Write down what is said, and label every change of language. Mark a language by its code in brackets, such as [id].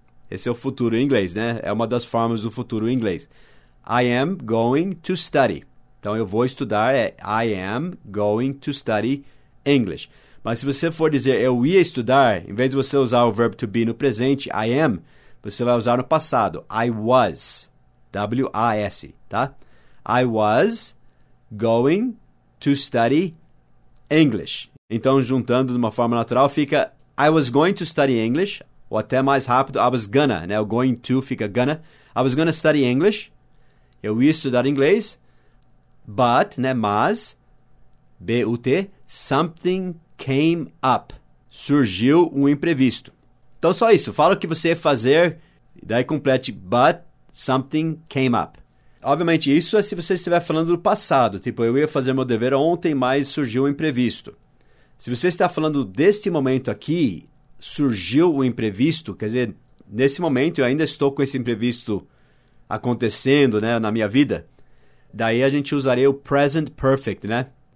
[pt] Esse é o futuro em inglês, né? É uma das formas do futuro em inglês. [en] I am going to study. [pt] Então, eu vou estudar é [en] I am going to study English. [pt] Mas se você for dizer, eu ia estudar, em vez de você usar o verbo to be no presente, [en] I am, [pt] você vai usar no passado, [en] I was, [pt] W-A-S, tá? [en] I was going to study English. [pt] Então, juntando de uma forma natural, fica, [en] I was going to study English, [pt] Ou até mais rápido, [en] I was gonna, [pt] né? O going to fica gonna. [en] I was gonna study English. [pt] Eu ia estudar inglês. [en] But, [pt] né? Mas, B-U-T, [en] something came up. [pt] Surgiu um imprevisto. Então, só isso. Fala o que você ia fazer. Daí complete, [en] but something came up. [pt] Obviamente, isso é se você estiver falando do passado. Tipo, eu ia fazer meu dever ontem, mas surgiu um imprevisto. Se você está falando deste momento aqui, surgiu o imprevisto, quer dizer, nesse momento eu ainda estou com esse imprevisto acontecendo, né, na minha vida, daí a gente usaria o present perfect, né?